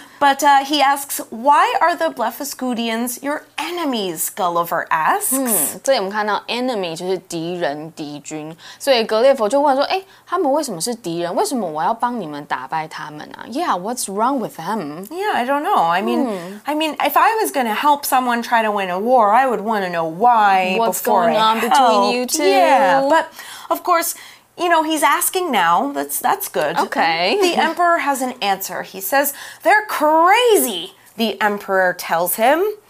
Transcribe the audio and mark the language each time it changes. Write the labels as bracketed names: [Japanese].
[English] But he asks, why are the Blefuscudians your enemies, Gulliver asks. [Chinese] 这里我们看到 enemy 就是敌人、敌军。所以格列佛就问说，诶，他们为什么是敌人？为什么我要帮你们打败他们啊？ [English] Yeah, what's wrong with them? Yeah, I don't know. I mean, if I was going to help someone try to win a war, I would want to know why what's before going I on helped. Between you two. Yeah, but of course... You know, he's asking now. That's good. Okay. The emperor has an answer. He says, they're crazy, the emperor tells him.